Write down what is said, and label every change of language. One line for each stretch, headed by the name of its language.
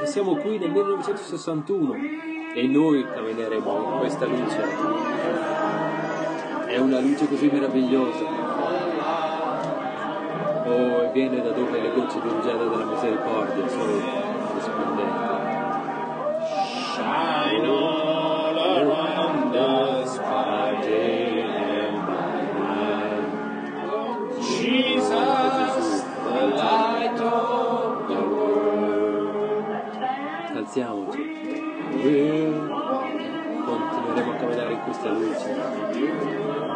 Italian: E siamo qui nel 1961 e noi cammineremo in questa luce. È una luce così meravigliosa. Oh, viene da dove le gocce di rugiada della misericordia sono risplendenti.
English: Shine all around us by day and by night. Jesus, the light of the world.
Italian: Alziamoci. Continueremo a camminare in questa luce.